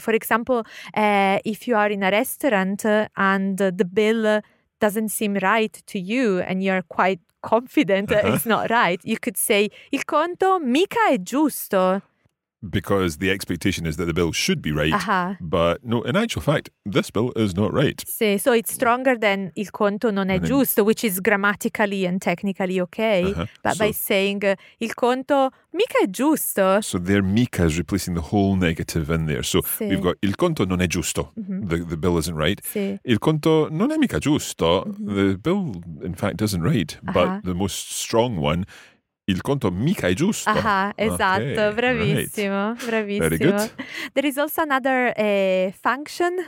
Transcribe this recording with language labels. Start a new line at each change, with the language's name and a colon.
English: For example, if you are in a restaurant and the bill doesn't seem right to you and you're quite confident that it's not right, you could say,
Italian: il conto mica è giusto.
English: Because the expectation is that the bill should be right, but no, in actual fact, this bill is not right. Sì, so it's stronger than
Italian: il conto non è giusto,
English: which is grammatically and technically okay, but so, by saying
Italian: il conto mica è giusto.
English: So there mica is replacing the whole negative in there. So we've got
Italian: il conto non è giusto,
English: the bill isn't right.
Italian: Sì.
English: Il conto non è mica giusto, the bill in fact isn't right, but the most strong one,
Italian: il conto mica è giusto. Esatto, okay, bravissimo,
English: right.
Italian: Bravissimo.
English: Very good. There is also another function.